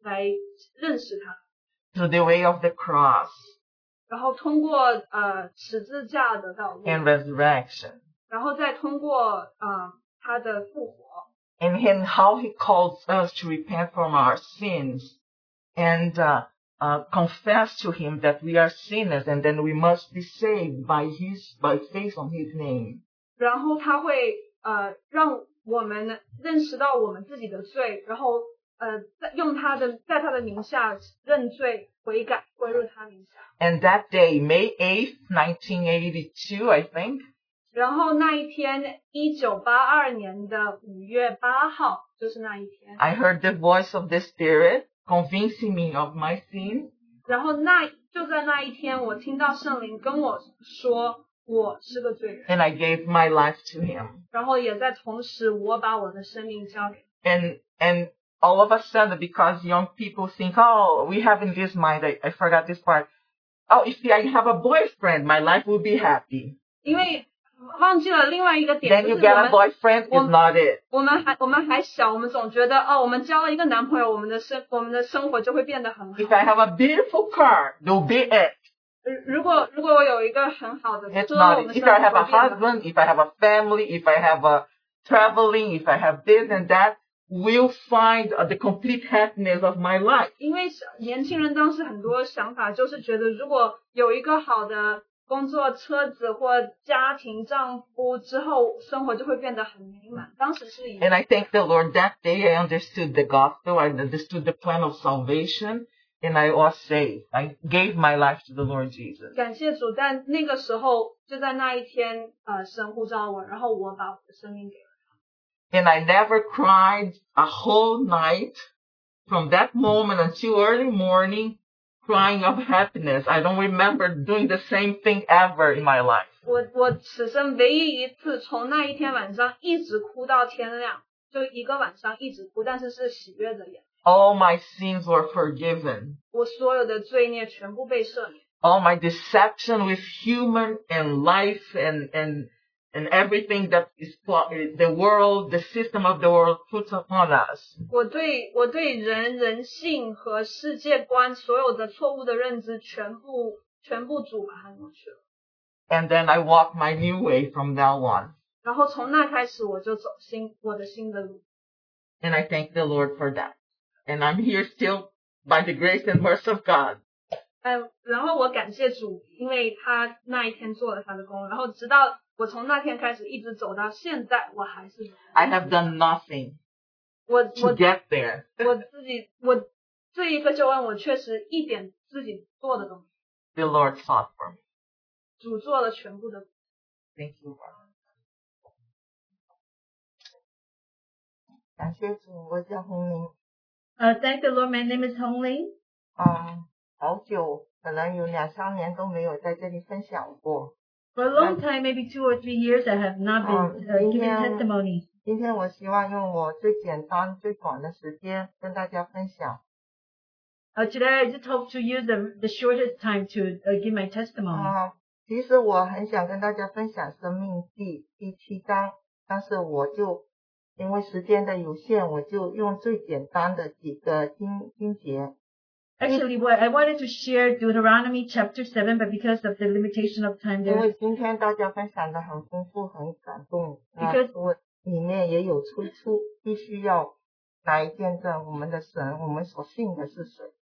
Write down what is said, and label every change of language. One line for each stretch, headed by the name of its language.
Chinese: 所以很奇妙的那一天晚上的信息，这位牧师当时分享的是主怎么样会用很奇妙的道路去吸引带领人来认识他。To
English: the way of the cross.
Chinese: 然后通过十字架的道路。
English: And resurrection.
Chinese: 然后再通过他的复活。And
English: in how he calls us to repent from our sins and confess to him that we are sinners and then we must be saved by faith on his name.
Chinese: 然后他会让我们认识到我们自己的罪，然后在他的名下认罪悔改，归入他名下。
English: And that day, May 8th, 1982, I think,
Chinese: 然后那一天1982年的5月8号就是那一天。
English: I heard the voice of the Spirit convincing me of my sin.
Chinese: 然后那就在那一天我听到圣灵跟我说我是个罪人。
English: And I gave my life to him.
Chinese: 然后也在同时我把我的生命交给。
English: And all of a sudden, because young people think, oh, we have in this mind, I forgot this part. Oh, you see, I have a boyfriend, my life will be happy.
Chinese: 因为忘记了另外一个点。
English: Then you get a boyfriend, is not it.
Chinese: 我们还小，我们总觉得，哦，我们交了一个男朋友，我们的生活就会变得很好。
English: If I have a beautiful car, you'll be it.
Chinese: 如果我有一个很好的车，
English: It's not it. If I have a husband, if I have a family, if I have a traveling, if I have this and that,will find the complete happiness of my life.
Chinese: 因为年轻人当时很多想法就是觉得如果有一个好的工作车子或家庭丈夫之后生活就会变得很美满。当时是一样。
English: And I thank the Lord that day I understood the gospel, I understood the plan of salvation, and I was saved. I gave my life to the Lord Jesus.
Chinese: 感谢主，但那个时候就在那一天神呼召我，然后我把我的生命给
English: And I never cried a whole night from that moment until early morning crying of happiness. I don't remember doing the same thing ever in my life.
Chinese: 我此生唯一一次从那一天晚上一直哭到天亮，就一个晚上一直哭，但是是喜悦的眼。
English: All my sins were forgiven.
Chinese: 我所有的罪孽全部被赦免。
English: All my deception with human and life and everything that is the world, the system of the world puts upon us.
Chinese: 我对人性和世界观所有的错误的认知全部主把它挪去了。
English: And then I walk my new way from now on.
Chinese: 然后从那开始我就走新我的新的路。
English: And I thank the Lord for that. And I'm here still by the grace and mercy of God.
Chinese: 然后我感谢主，因为他那一天做了他的工，然后直到我从那天开始一直走到现在，我还是。
English: I have done nothing. To get there.
Chinese: 我这一个救恩，我确实一点自己做的都没有。
English: The Lord fought for me.
Chinese: 主做了全部的。
English: Thank you, Lord.
Chinese: 感谢主，我叫红玲。
English: Thank the Lord. My name is Hong Lin.
Chinese: 好久，可能有两三年都没有在这里分享过。
English: For a long time, maybe 2 or 3 years, I have not been giving testimony.
Chinese: 今天我希望用我最简单、最短的时间跟大家分享。
English: Today, I just hope to use the shortest time to give my testimony.
Chinese: 其实我很想跟大家分享《生命记》第七章，但是我就因为时间的有限，我就用最简单的几个经节。
English: Actually, what I wanted to share Deuteronomy chapter 7, but because of the limitation of time, there's...
Chinese: 因为今天大家分享的很丰富，很感动。
English: Because
Chinese: 我里面也有出，必须要来见证我们的神，我们所信的是谁。